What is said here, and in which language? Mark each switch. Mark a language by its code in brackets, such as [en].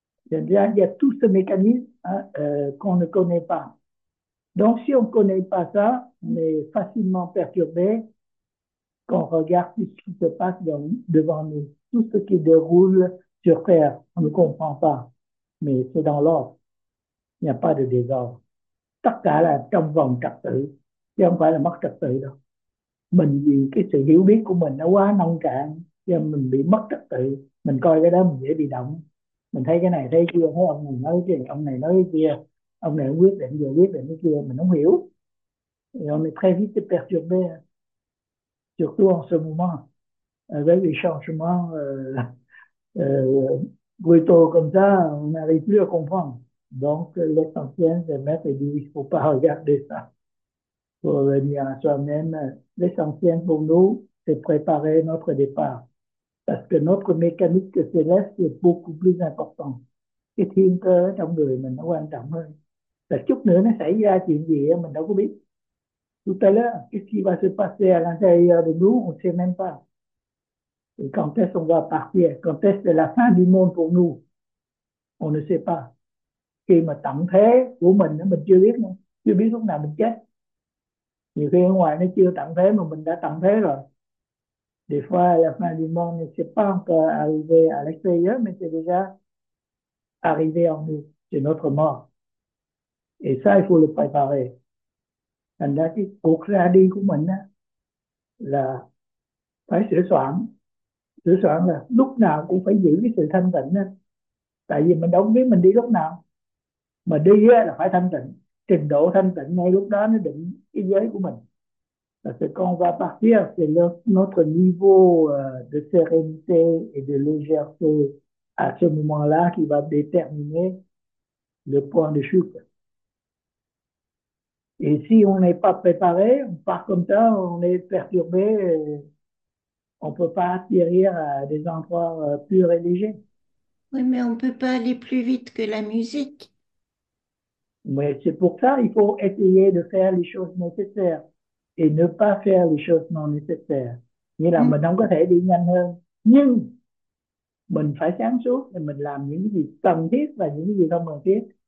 [fr] Il y a tout ce mécanisme hein, qu'on ne connaît pas. Donc, si on ne connaît pas ça, on est facilement perturbé quand on regarde tout ce qui se passe devant nous. Tout ce qui déroule sur Terre, on ne comprend pas. Mais c'est dans l'ordre. Il n'y a pas de désordre. [vi] Tất cả là trong vòng trật tự, chứ không phải là mất trật tự đâu. Mình vì cái sự hiểu biết của mình nó quá nông cạn, cho mình bị mất trật tự. Mình coi cái đó mình dễ bị động. Mình thấy cái này thấy chưa, thấy ông này nói cái gì, ông này nói cái kia, ông này quyết định vừa quyết định cái kia, mình không hiểu. [fr] Et on est très vite perturbé, surtout en ce moment, avec les changements Plutôt comme ça, on n'arrive plus à comprendre. Donc, l'essentiel, le maître dit, il ne faut pas regarder ça. Pour revenir à soi-même, l'essentiel pour nous, c'est préparer notre départ. Parce que notre mécanique céleste est beaucoup plus importante. [vi] Cái thiên cơ trong người mình nó quan trọng hơn. Là chút nữa nó xảy ra chuyện gì mình đâu có biết. [fr] Tout à l'heure, qu'est-ce qui va se passer à l'intérieur de nous, on ne sait même pas. Et quand est-ce qu'on va partir? Quand est-ce que c'est la fin du monde pour nous? On ne sait pas. [vi] Khi mà tận thế của mình chưa biết nữa. Chưa biết lúc nào mình chết. Nhiều khi ở ngoài nó chưa tận thế mà mình đã tận thế rồi. [fr] Des fois, la fin du monde ne s'est pas encore arrivée à l'extérieur, mais c'est déjà arrivé en nous. C'est notre mort. Et ça, il faut le préparer. [vi] Thành ra cái cuộc ra đi của mình là phải sửa soạn. Sửa soạn là lúc nào cũng phải giữ cái sự thanh tịnh. Tại vì mình đâu biết mình đi lúc nào. Mà đi là phải thanh tịnh. Trình độ thanh tịnh ngay lúc đó nó định cái giới của mình. [fr] Là ce qu'on va partir, c'est notre niveau de sérénité et de légèreté à ce moment-là qui va déterminer le point de chute. Et si on n'est pas préparé, on part comme ça, on est perturbé, on ne peut pas atterrir à des endroits purs et légers. Oui, mais on ne peut pas aller plus vite que la musique. Mais c'est pour ça qu'il faut essayer de faire les choses nécessaires. Et ne pas faire les choses non nécessaires. [vi] Nghĩa là mình không có thể đi nhanh hơn. Nhưng mình phải sáng suốt để mình làm những gì cần thiết và những gì không cần thiết.